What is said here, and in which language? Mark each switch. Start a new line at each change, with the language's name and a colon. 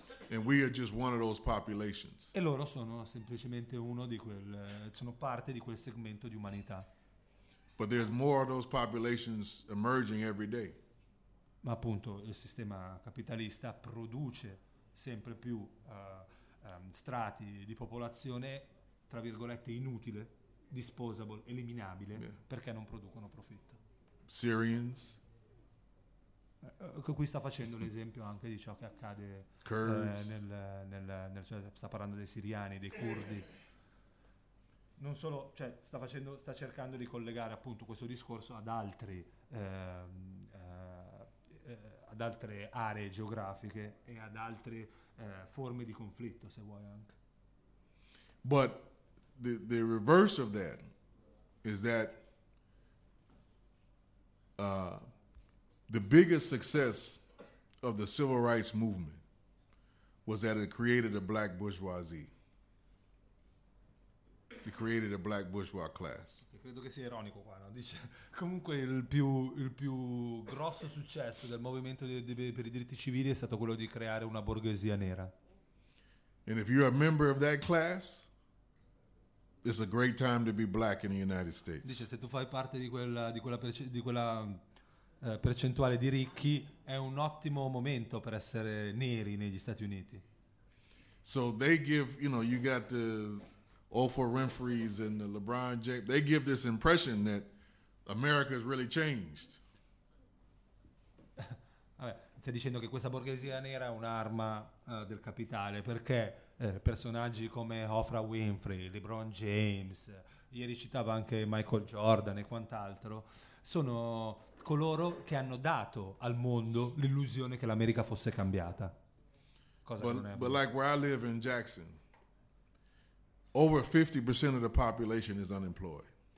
English: And we are just one of those populations.
Italian: E loro sono semplicemente uno di quel, sono parte di quel segmento di umanità.
English: But there's more of those populations emerging every day.
Italian: Ma appunto il sistema capitalista produce sempre più strati di popolazione, tra virgolette, inutile, disposable, eliminabile, yeah, perché non producono profitto.
English: Syrians.
Italian: Qui sta facendo l'esempio anche di ciò che accade sta parlando dei siriani, dei curdi. Non solo, cioè, sta cercando di collegare appunto questo discorso ad altre aree geografiche e ad altre forme di conflitto, se vuoi anche.
English: But the reverse of that is that the biggest success of the civil rights movement was that it created a black bourgeoisie. It created a black bourgeois class.
Italian: Credo che sia ironico qua, no? Dice, comunque il più grosso successo del movimento per i diritti civili è stato quello di creare una borghesia nera.
English: And if you're a member of that class, it's a great time to be black in the United States.
Italian: Dice, se tu fai parte di quella percentuale di ricchi, è un ottimo momento per essere neri negli Stati Uniti.
English: So they give, you know, you got the Oprah Winfrey's and the LeBron James, they give this impression that America has really changed.
Italian: Sta dicendo che questa borghesia nera è un'arma del capitale, perché personaggi come Oprah Winfrey, LeBron James, ieri citava anche Michael Jordan e quant'altro, sono coloro che hanno dato al mondo l'illusione che l'America fosse cambiata. Cosa
English: but,
Italian: non è
English: but like where I live in Jackson, over 50% of the population is unemployed.